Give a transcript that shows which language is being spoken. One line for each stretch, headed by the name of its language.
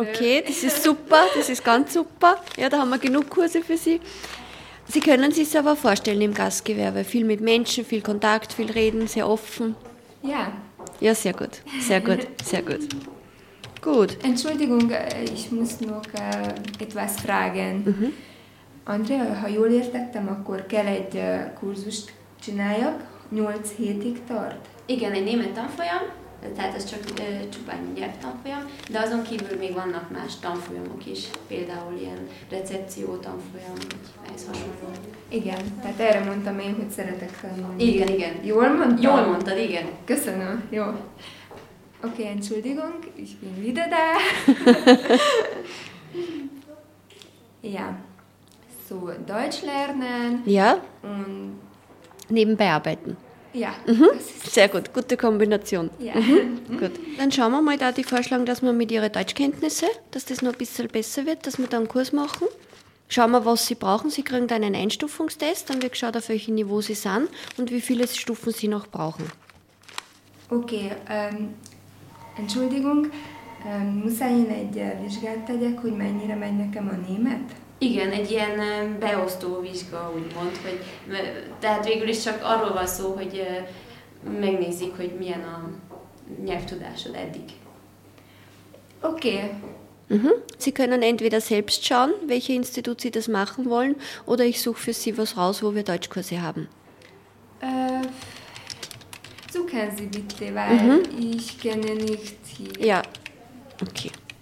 German: Okay, das ist super, das ist ganz super. Ja, da haben wir genug Kurse für Sie. Sie können sich es aber vorstellen im Gastgewerbe, viel mit Menschen, viel Kontakt, viel reden, sehr offen. Ja. Ja, sehr gut, sehr gut, sehr gut. Gut. Entschuldigung, ich muss noch etwas fragen. Mhm.
Hungarian: Andrea, ha jól értettem, akkor kell egy kurzust csináljak, 8 hétig tart. Igen, egy német tanfolyam, tehát ez csak csupán nyelvtanfolyam, de azon kívül még vannak más tanfolyamok is, például ilyen recepció tanfolyam, ez hasonló. Igen, tehát erre mondtam én, hogy szeretek tanulni. Igen, igen. Jól mondtam? Jól mondtad, igen. Köszönöm, jó.
German: Oké, okay, entschuldigung, ich bin wieder da. Ja, so, Deutsch lernen. Ja, und nebenbei arbeiten. Ja. Mhm. Sehr gut, gute Kombination. Ja. Gut. Dann schauen wir mal, da die Vorschläge, dass wir mit Ihren Deutschkenntnissen, dass das noch ein bisschen besser wird, dass wir da einen Kurs machen. Schauen wir, was Sie brauchen. Sie kriegen da einen Einstufungstest, dann wird geschaut, auf welchem Niveau Sie sind und wie viele Stufen Sie noch brauchen. Okay, Entschuldigung, muss ich Ihnen eine
Hungarian: Vizsgát tegyek, hogy mennyire megy nekem a német? Igen, egy ilyen beosztó vizsga, úgymond, hogy tehát végül is csak arról van szó, hogy megnézik, hogy milyen a nyelvtudásod eddig. Oké. Okay. Mhm.
German: Sie können entweder selbst schauen, welche Institut Sie das machen wollen, oder ich suche für Sie was raus, wo wir Deutschkurse haben. Suchen Sie bitte, weil ich kenne nicht hier. Ja, okay.